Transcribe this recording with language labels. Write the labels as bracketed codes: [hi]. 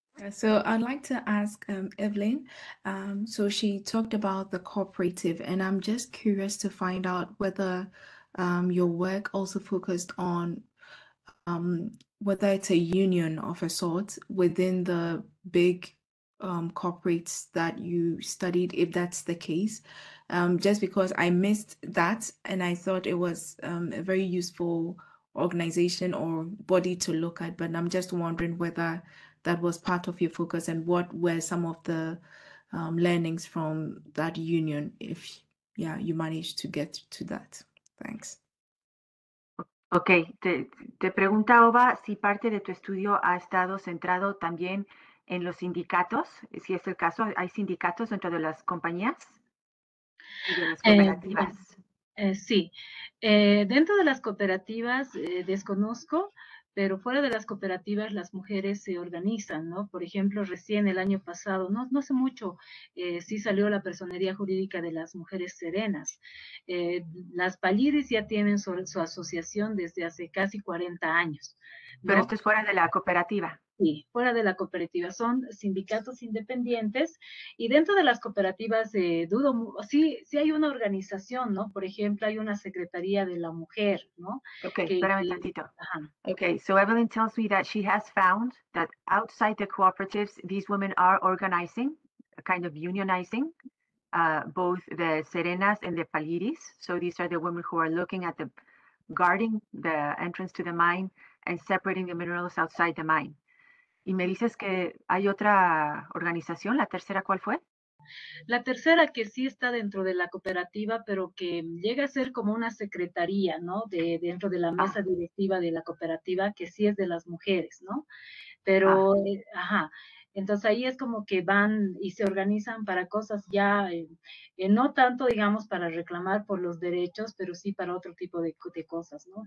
[en] So I'd like to ask Evelyn, so she talked about the cooperative, and I'm just curious to find out whether your work also focused on whether it's a union of a sort within the big corporates that you studied, if that's the case, just because I missed that, and I thought it was a very useful organization or body to look at, but I'm just wondering whether that was part of your focus and what were some of the learnings from that union, if you managed to get to that. Thanks. [es] Okay, te pregunta Obaa si parte de tu estudio ha estado centrado también en los sindicatos, si es el caso, ¿hay sindicatos dentro de las compañías y de las cooperativas? Dentro de las cooperativas desconozco, pero fuera de las cooperativas las mujeres se organizan, ¿no? Por ejemplo, recién el año pasado, no hace mucho, sí salió la personería jurídica de las mujeres serenas. Las Paliris ya tienen su asociación desde hace casi 40 años, ¿no? Pero esto es fuera de la cooperativa. Sí, fuera de la cooperativa. Son sindicatos independientes y dentro de las cooperativas, dudo, sí hay una organización, ¿no? Por ejemplo, hay una Secretaría de la Mujer, ¿no? Okay, espérame un tantito. [en] Okay, so Evelyn tells me that she has found that outside the cooperatives, these women are organizing, a kind of unionizing, both the Serenas and the Paliris. So these are the women who are looking at the guarding the entrance to the mine and separating the minerals outside the mine. [es] Y me dices que hay otra organización, la tercera, ¿cuál fue? La tercera que sí está dentro de la cooperativa, pero que llega a ser como una secretaría, ¿no? De dentro de la mesa directiva de la cooperativa, que sí es de las mujeres, ¿no? Pero, entonces ahí es como que van y se organizan para cosas ya, no tanto, digamos, para reclamar por los derechos, pero sí para otro tipo de cosas, ¿no?